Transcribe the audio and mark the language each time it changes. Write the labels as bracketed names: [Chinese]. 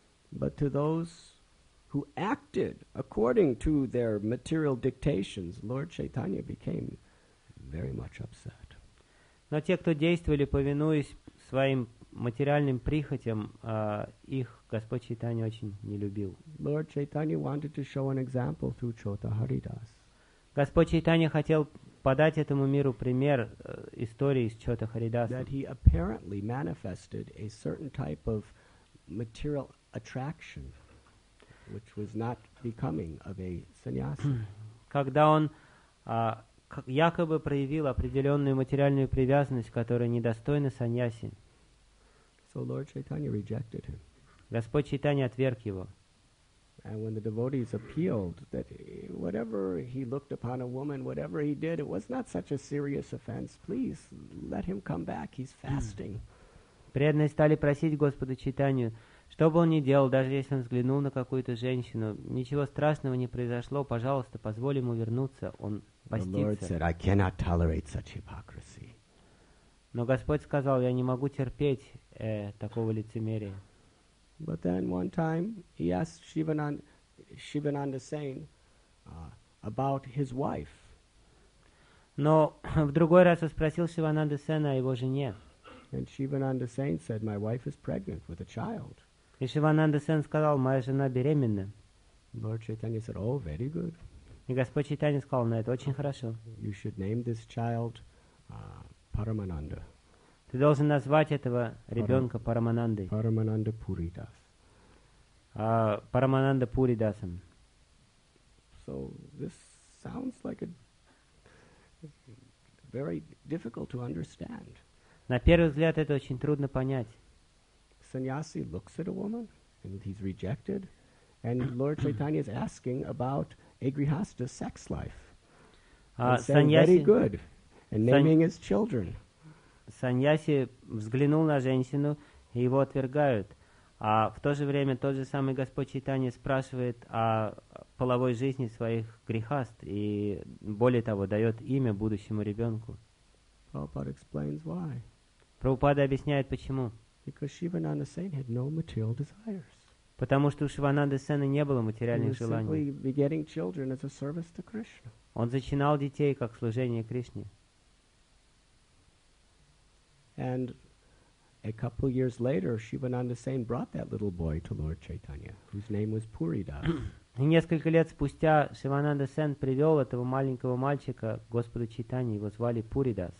[English] But to those who acted according to their material dictations, Lord Chaitanya became very much upset. [Russian] Но те, кто действовали, повинуясь своим материальным прихотям, их Господь Чайтанья очень не любил. [English] Lord Chaitanya wanted to show an example through Chota Haridas. [Russian] Господь Чайтанья хотел подать этому миру пример истории из Чота Харидаса. [English] That he apparently manifested a certain type of material attraction which was not becoming of a sannyasi. [Russian] Когда он якобы проявил определенную материальную привязанность, которая недостойна саньяси. [English] So Lord Chaitanya rejected him. [Russian] Господь Чайтанья отверг его. [English] And when the devotees appealed that whatever he looked upon a woman, whatever he did, it was not such a serious offense. Please let him come back. He's fasting. [Russian] Преданные стали просить Господа Чайтанью, что бы он ни делал, даже если он взглянул на какую-то женщину, ничего страшного не произошло, пожалуйста, позволь ему вернуться, он постится. [English] The Lord said, I cannot tolerate such hypocrisy. [Russian] Но Господь сказал, я не могу терпеть такого лицемерия. [English] But then one time he asked Shivananda Sen about his wife. [Russian] Но в другой раз он спросил Шивананда Сена о его жене. [English] And Shivananda Sen said, my wife is pregnant with a child. [Russian] И Шивананда Сен сказал, моя жена беременна. [English] Lord Chaitanya said, oh, very good. [Russian] И Господь Чайтанья сказал, ну, это очень хорошо. [English] You should name this child, Paramananda. [Russian] Ты должен назвать этого ребенка Параманандой. Парамананда Пуридас. Парамананда Пуридасом. [English] So this sounds like a very difficult to understand. [Russian] На первый взгляд это очень трудно понять. [English] Sannyasi looks at a woman and he's rejected, and Lord Chaitanya is asking about a grihastha sex life. very good and naming his children. [Russian] Саньяси взглянул на женщину и его отвергают. А в то же время тот же самый Господь Чайтанья спрашивает о половой жизни своих грехаст и более того дает имя будущему ребенку. [English] Prabhupada explains why. [Russian] Прабхупада объясняет почему. [English] Because Шивананда Сен had no material desires. [Russian] Потому что у Шивананды Сена не было материальных желаний. [English] He was simply begetting children as a service to Krishna. [Russian] Он зачинал детей как служение Кришне. [English] And a couple years later, Шивананда Сен brought that little boy to Lord Chaitanya, whose name was Пуридас. [Russian] И несколько лет спустя Шивананда Сен привел этого маленького мальчика к Господу Чайтанье, его звали Пуридас.